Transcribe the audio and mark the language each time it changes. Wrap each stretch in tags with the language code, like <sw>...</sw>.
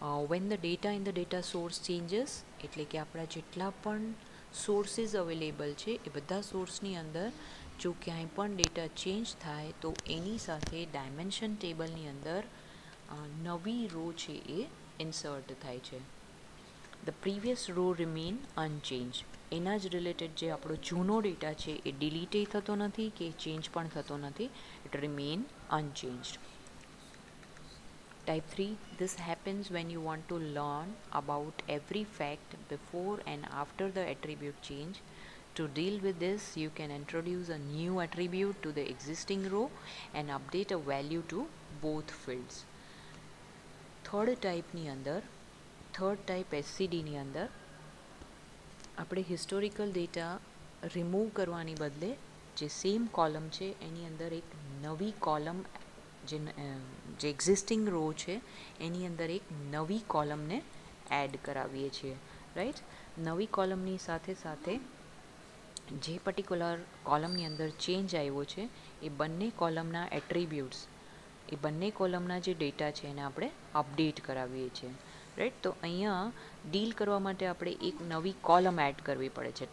<en>When the data in the data source changes,</en> <gu>એટલે કે આપણા જેટલા પણ સોર્સીસ અવેલેબલ છે એ બધા સોર્સની અંદર જો ક્યાંય પણ ડેટા ચેન્જ થાય તો એની સાથે ડાયમેન્શન ટેબલની અંદર નવી રો છે એ ઇન્સર્ટ થાય છે.</gu> <en>the previous row remain unchange,</en> <gu>એના જ રિલેટેડ જે આપણો જૂનો ડેટા છે એ ડિલીટ થતો નથી કે ચેન્જ પણ થતો નથી,</gu> <en>It remain unchange. Type 3, this happens when you want to learn about every fact before and after the attribute change. To deal with this, you can introduce a new attribute to the existing row and update a value to both fields.</en> <gu>Third type ni andar, third type SCD ni andar, apde historical data remove karwani badle, je same column che, any andar ek navi column જે existing row છે એની અંદર એક નવી કોલમને add કરાવીએ છીએ, right? નવી કોલમની સાથે સાથે જે પર્ટિક્યુલર કોલમની અંદર ચેન્જ આવ્યો છે એ બંને કોલમના એટ્રીબ્યુટ્સ, એ બંને કોલમના જે ડેટા છે એને આપણે અપડેટ કરાવીએ છીએ, રાઈટ? તો અહીંયા ડીલ કરવા માટે આપણે એક નવી કોલમ એડ કરવી પડે છે.</gu>